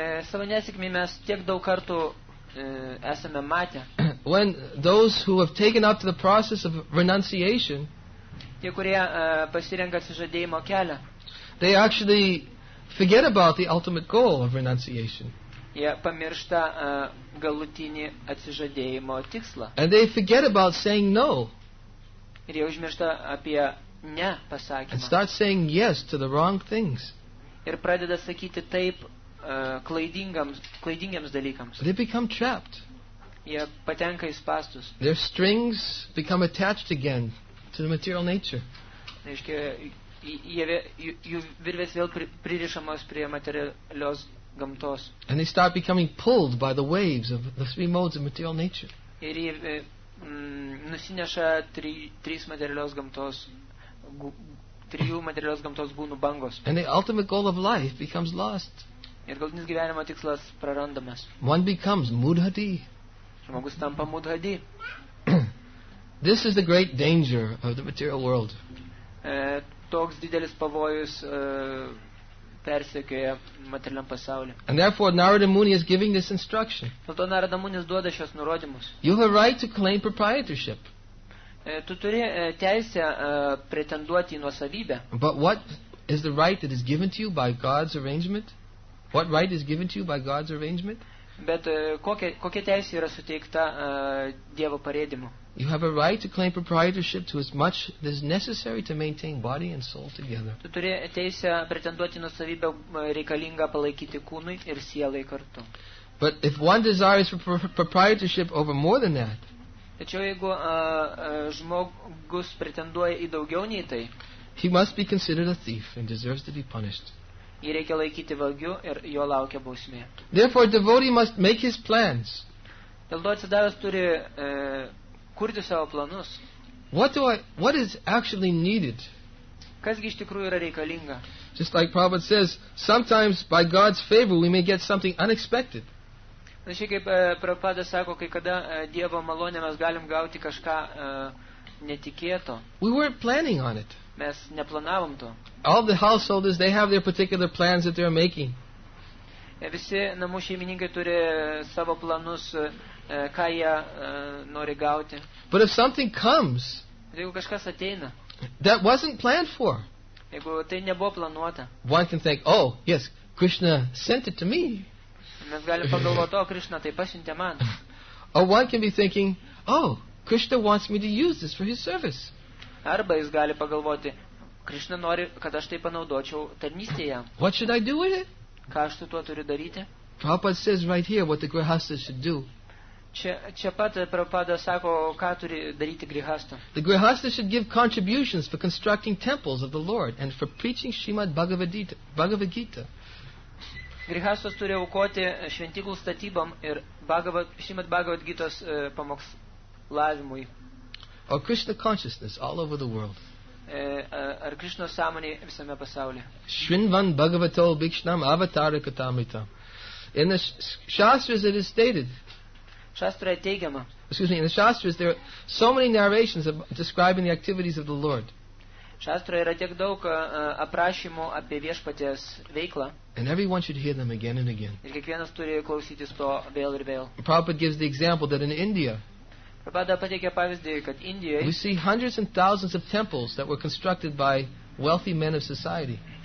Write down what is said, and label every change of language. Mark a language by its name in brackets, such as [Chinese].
[Lithuanian] Savo nesėkmį mes tiek daug kartų esame matę. [English] When those who have taken up the process of renunciation, [Lithuanian] tie, kurie pasirenka atsižadėjimo kelią, [English] they actually forget about the ultimate goal of renunciation. [Lithuanian] Jie pamiršta galutinį atsižadėjimo tikslą. [English] And they forget about saying no. [Lithuanian] Ir jie užmiršta apie ne pasakymą. [English] And start saying yes to the wrong things. [Lithuanian] Ir pradeda sakyti taip klaidingiems dalykams. [English] They become trapped. [Lithuanian] Jie patenka į spastus. [English] Their strings become attached again to the material nature. [Lithuanian] Reiškia, jų virvės vėl pririšamos prie materialios gamtos. [English] And they start becoming pulled by the waves of the three modes of material nature. [Lithuanian] Ir jie nusineša trys materialios gamtos, trijų materialios gamtos būnų bangos. [English] And the ultimate goal of life becomes lost. [Lithuanian] Ir galutinis gyvenimo tikslas prarandamas. [English] One becomes mudhadi. [Lithuanian] Žmogus tampa mudhadi. [English] This is the great danger of the material world. [Lithuanian] Toks didelis pavojus persekioja materialiam pasaulyje. [English] And therefore Narada Muni is giving this instruction. [Lithuanian] Dėl to Narada Munis duoda šios nurodymus. [English] You have a right to claim proprietorship. [Lithuanian] Tu turi teisę pretenduoti į nuosavybę. [English] But what is the right that is given to you by God's arrangement? What right is given to you by God's arrangement? [Lithuanian] Bet kokia teisė yra suteikta Dievo parėdimu? [English] You have a right to claim proprietorship to as much as necessary to maintain body and soul together. [Lithuanian] Tu turi teisę pretenduoti nuosavybę reikalingą palaikyti kūnui ir sielai kartu. [English] But if one desires proprietorship over more than that, [Lithuanian] tačiau jeigu žmogus pretenduoja į daugiau nei tai, [English] he must be considered a thief and deserves to be punished. [Lithuanian] Jį reikia laikyti vagiu ir jo laukia bausmė. [English] Therefore, devotee must make his plans. [Lithuanian] Dėl to atsidavęs turi kurti savo planus. [English] What is actually needed? [Lithuanian] Kasgi iš tikrųjų yra reikalinga? [English] Just like Prabhupada says, sometimes by God's favor we may get something unexpected. [Lithuanian] Štai kaip Prabhupada sako, kai kada Dievo malonė mes galim gauti kažką netikėto. [English] We weren't planning on it. [Lithuanian] Mes neplanavom to. [English] All the householders, they have their particular plans that they are making. [Lithuanian] Visi namų šeimininkai turi savo planus, ką jie nori gauti. [English] But if something comes, [Lithuanian] jeigu kažkas ateina, [English] that wasn't planned for, [Lithuanian] jeigu tai nebuvo planuota, [English] one can think, oh, yes, Krishna sent it to me. [Lithuanian] Mes galim pagalvoti, o Krishna tai pasiuntė man. [English] Or one can be thinking, oh, Krishna wants me to use this for his service. [Lithuanian] Arba jis gali pagalvoti, Krishna nori, kad aš tai panaudočiau tarnystėje. [English] What should I do with it? [Lithuanian] Ką aš su tuo turiu daryti? [English] Prabhupada says right here what the grihastha should do. [Lithuanian] Čia pat Prabhupada sako, ką turi daryti grihastha. [English] The grihastha should give contributions for constructing temples of the Lord and for preaching Srimad Bhagavad Gita. [Lithuanian] Grihastas turi aukoti šventiklų statybom ir Srimad Bhagavad Gitos pamokslavimui. [English] Or Krishna consciousness all over the world. [Lithuanian] Ar Krishna sąmonė visame pasaulyje. [Sanskrit] Shrinvan Bhagavato Bhikshnam Avatara Katamrita. [English] In the Shastras it is stated. [Lithuanian] Shastra teigiama. [English] Excuse me, in the Shastras there are so many narrations describing the activities of the Lord. [Lithuanian] Shastra yra tiek daug aprašymų apie viešpaties veiklą. [English] And everyone should hear them again and again. [Lithuanian] Ir kiekvienas turi klausytis to vėl ir vėl. [English] Prabhupada gives the example that in India, we see hundreds and thousands of temples that were constructed by wealthy men of society.